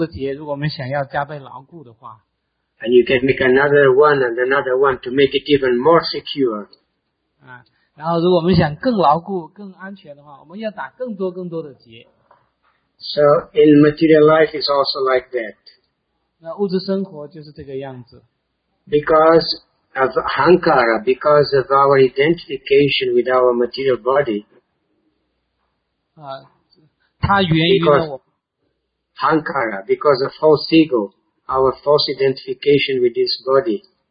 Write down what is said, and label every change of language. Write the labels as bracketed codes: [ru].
[zh] 然后我们会打双重的结，如果我们想要加倍牢固的话。 [en] And you can make another one and another one to make it even more secure. [zh] 然后如果我们想更牢固、更安全的话，我们要打更多更多的结。 [en] So in material life is also like that. [zh] 那物质生活就是这个样子。 [en] Because of hankara, because of our identification with our material body. [zh] 它源于了我。Hankara, [en] because of false ego, our false identification with this body.